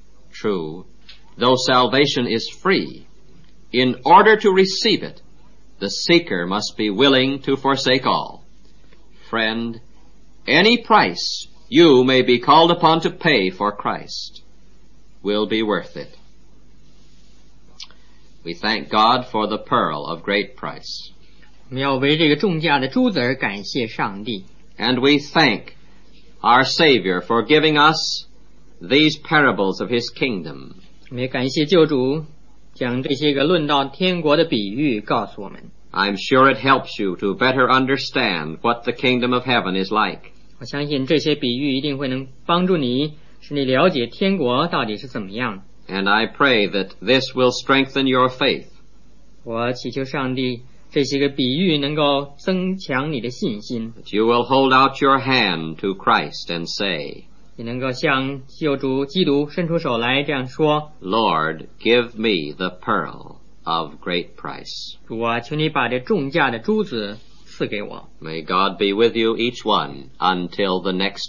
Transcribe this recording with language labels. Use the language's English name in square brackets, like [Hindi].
[English] True, though salvation is free, in order to receive it, the seeker must be willing to forsake all. Friend, any price you may be called upon to pay for Christ will be worth it. We thank God for the pearl of great price. [Chinese] 我们要为这个重价的珠子而感谢上帝。 [English] And we thank our Savior for giving us these parables of His kingdom. [Chinese] 我们也感谢救主将这些个论到天国的比喻告诉我们。 [English] I'm sure it helps you to better understand what the kingdom of heaven is like. [Chinese] 我相信这些比喻一定会能帮助你，使你了解天国到底是怎么样。 [English] And I pray that this will strengthen your faith. [Chinese] 我祈求上帝，这些个比喻能够增强你的信心。 [English] That you will hold out your hand to Christ and say, [Chinese] 你能够向救主基督伸出手来这样说 [English] Lord, give me the pearl of great price. [Chinese] 主啊，求你把这重价的珠子赐给我。 [English] May God be with you each one until the next